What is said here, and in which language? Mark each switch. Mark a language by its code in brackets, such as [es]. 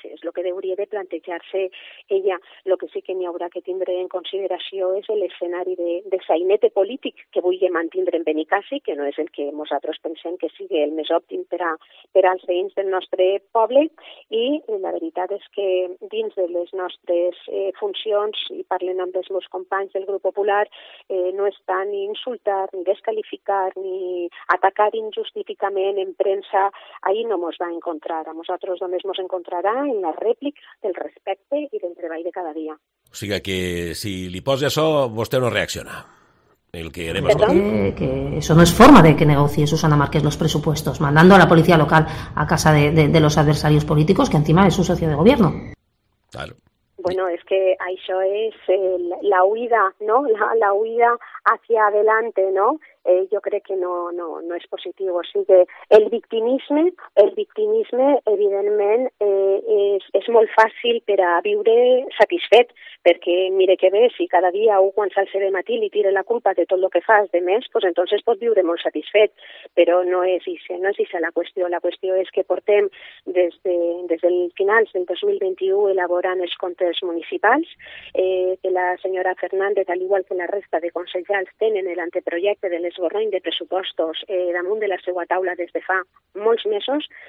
[ca] És el que hauria de plantejar-se ella. El que sí que n'hi haurà que tindre en consideració és l'escenari de sainete polític que vulgui mantindre en Benicàssim, que no és el que nosaltres pensem que sigui el més òptim per als veïns del nostre poble, i la veritat és que dins de les nostres funcions, i parlen amb els meus companys del Grup Popular, no està ni insultar, ni descalificar, ni atacar injustificament en premsa. Ahir no mos va encontrar. A nosaltres només mos encontrarà en la rèplica del respecte i del treball de cada dia. O sigui que si li posi això, vostè no reacciona. [es] El que haremos, que eso no es forma de que negocie Susana Márquez los presupuestos, mandando a la policía local a casa de los adversarios políticos, que encima es su socio de gobierno. Claro. Bueno, es que [ca] això és [es] la huida, ¿no? La huida hacia adelante, ¿no? Yo creo que no es positivo. Así que [ca] el victimisme, evidentment, és molt fàcil per a viure satisfet, perquè mire que bé, si cada dia un quan s'alce de matí li tira la culpa de tot el que fas de més, [es] pues entonces [ca] pots viure molt satisfet. Però no és ixa la qüestió. La qüestió és que portem des del final del 2021 elaborant els comptes municipals, que la senyora Fernández, al igual que la resta de consellers, tenen el anteprojecte de les esborrany de pressupostos damunt de la seva taula des de fa molts mesos,